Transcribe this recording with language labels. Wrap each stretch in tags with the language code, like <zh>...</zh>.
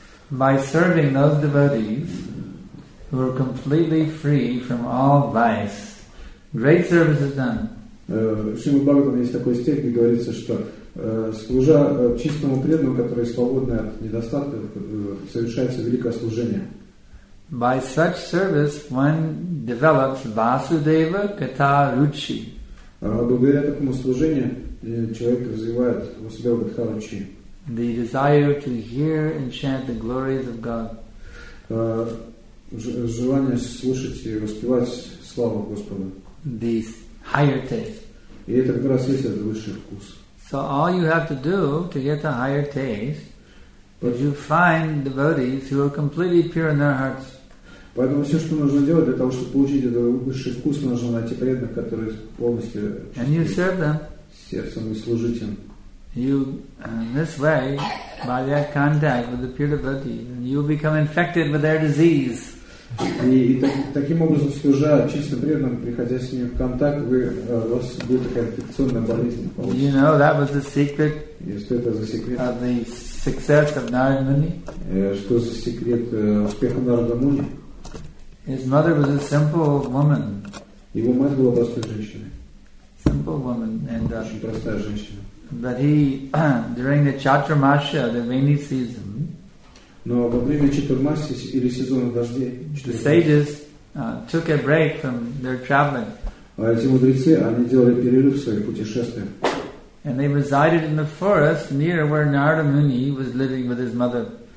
<en>By serving those devotees who are completely free from all vice, great service is done.</en> <ru>В Шримад Бхагаватам есть такой стих, где говорится, что служа чистому преданному, который свободен от недостатков, совершается великое служение.</ru> <en>By such service one develops Vasudeva Kata Ruchi.</en> <ru>Благодаря такому служению человек развивает Vasudeva Kata Ruchi.</ru> <en>The desire to hear and chant the glories of God.</en> <ru>Желание слушать и воспевать славу Господа.</ru> <en>The higher taste.</en> <ru>И это как раз есть этот высший вкус.</ru> <en>So all you have to do to get the higher taste is you find devotees who are completely pure in their hearts.</en> <ru>Поэтому все, что нужно делать для того, чтобы получить этот высший вкус, нужно найти преданных, которые полностью чисты.</ru> <en>And you serve them.</en> <ru>Сердцем и служить им.</ru> <en>You, in this way, by that contact with the pure devotee, you become infected with their disease.</en> <ru>И таким образом, служа чистым преданным, приходя с ними в контакт, вы, у вас будет такая инфекционная болезнь.</ru> <en>You know, that was the secret,</en> <ru>что это за секрет?</ru> <en>Of the success of Narada Muni.</en> <ru>Что за секрет успеха Нарада Муни?</ru> <en>His mother was a simple woman.</en> <ru>Его мать была простой женщиной.</ru> <en>Simple woman. And,</en> <ru>очень простая женщина.</ru> <en>But he, during the Chaturmasya, the rainy season, the sages took a break from their traveling. And they resided in the forest near where Narada Muni was living with his mother.</en>